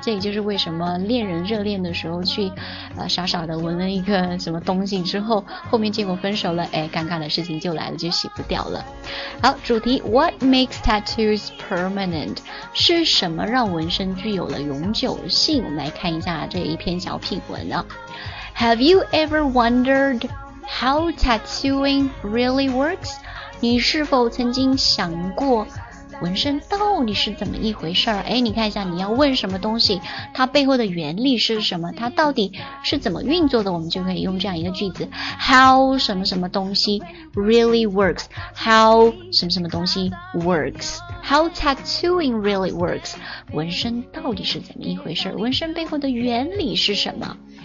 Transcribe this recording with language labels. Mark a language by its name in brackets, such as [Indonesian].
[Chinese] 这也就是为什么恋人热恋的时候去傻傻的闻了一个什么东西之后，后面结果分手了，哎，尴尬的事情就来了，就洗不掉了。 [English] 好，主题 What makes tattoos permanent? [Chinese] 是什么让纹身具有了永久性？我们来看一下这一篇小品文啊。 [English] Have you ever wondered how tattooing really works? [Chinese] 你是否曾经想过纹身到底是怎么一回事儿？哎，你看一下，你要问什么东西，它背后的原理是什么，它到底是怎么运作的，我们就可以用这样一个句子 [English] How 什么什么东西 really works [Chinese] How 什么什么东西 works How tattooing really works 纹身到底是怎么一回事，纹身背后的原理是什么。